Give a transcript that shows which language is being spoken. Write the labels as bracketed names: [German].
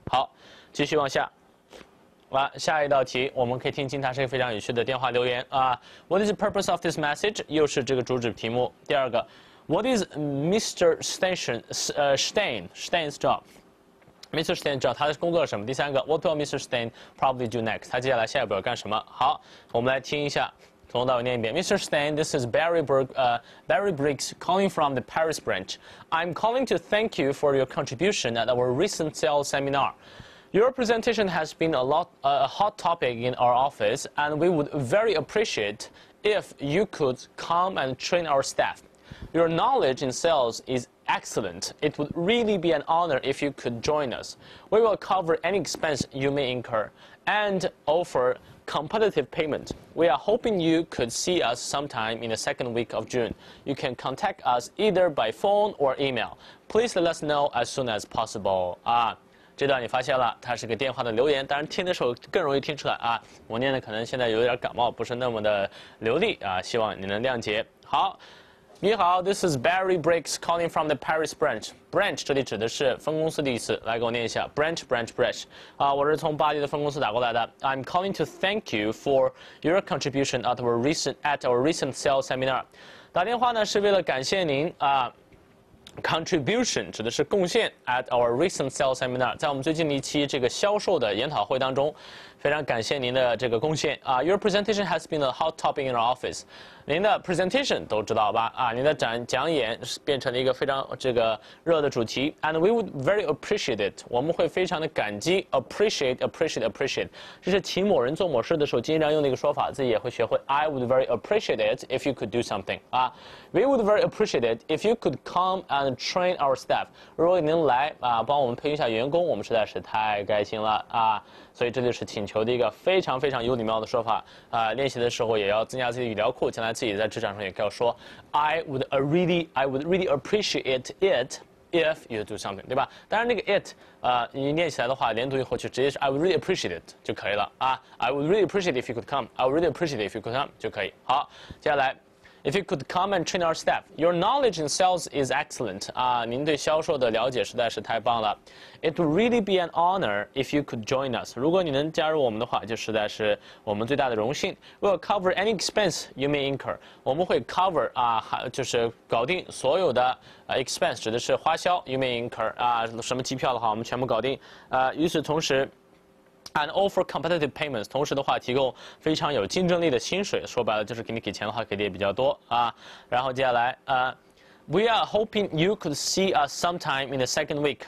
[Chinese] 好，继续往下。下一道题，我们可以听清它是一个非常有趣的电话留言啊。 [English] What is the purpose of this message？ [Chinese] 又是这个主旨题目。第二个 [English] ，What is Mr. Station？ Stein's job？ Mr. Stein [Chinese] 知道他的工作是什么？第三个 [English] ，What will Mr. Stein probably do next？ [Chinese] 他接下来下一步要干什么？好，我们来听一下。从头到尾念一遍 ，Mr. [English] Stein, this is Barry Briggs calling from the Paris branch. I'm calling to thank you for your contribution at our recent sales seminar. Your presentation has been a hot topic in our office, and we would very appreciate if you could come and train our staff. Your knowledge in sales is excellent. It would really be an honor if you could join us. We will cover any expense you may incur and offer competitive payment. We are hoping you could see us sometime in the second week of June. You can contact us either by phone or email. Please let us know as soon as possible. [Chinese] 这段你发现了，它是个电话的留言，当然听的时候更容易听出来啊。我念的可能现在有点感冒，不是那么的流利啊，希望你能谅解。好，你好 [English] ，This is Barry Briggs calling from the Paris branch. [Chinese] Branch 这里指的是分公司的意思，来给我念一下 ，branch。啊，我是从巴黎的分公司打过来的。 [English] I'm calling to thank you for your contribution at our recent sales seminar. [Chinese] 打电话呢是为了感谢您啊。 Contribution 指的是贡献 [English] at our recent sales seminar， [Chinese] 在我们最近的一期这个销售的研讨会当中，非常感谢您的这个贡献啊。 [English] Your presentation has been a hot topic in our office. [Chinese] 您的 presentation 都知道吧？啊，您的讲演变成了一个非常这个热的主题。 [English] And we would very appreciate it. [Chinese] 我们会非常的感激 [English] appreciate. [Chinese] 这是请某人做某事的时候经常用的一个说法，自己也会学会。 [English] I would very appreciate it if you could do something. 啊 ，We would very appreciate it if you could come and train our staff. [Chinese] 如果您来啊，帮我们培训一下员工，我们实在是太开心了啊。所以这就是请求的一个非常非常有礼貌的说法啊、练习的时候也要增加自己的语料库，将来自己在职场上也要说 [English] I would really appreciate it if you do something， [Chinese] 对吧？当然那个 it 你念起来的话，连读以后就直接是 [English] I would really appreciate it [Chinese] 就可以了啊。 [English] I would really appreciate if you could come. I would really appreciate if you could come 就可以。 [Chinese] 好，接下来。 [English] If you could come and train our staff, your knowledge in sales is excellent. [Chinese] 啊，您对销售的了解实在是太棒了。 [English] It would really be an honor if you could join us. [Chinese] 如果你能加入我们的话，就实在是我们最大的荣幸。 [English] We'll cover any expense you may incur. [Chinese] 我们会 cover 啊，就是搞定所有的、expense， 指的是花销 [English] you may incur [Chinese] 啊，什么机票的话，我们全部搞定。与此同时。 [English] And offer competitive payments. [Chinese] 同时的话，提供非常有竞争力的薪水。说白了，就是给你给钱的话，给的也比较多啊。然后接下来， [English] we are hoping you could see us sometime in the second week.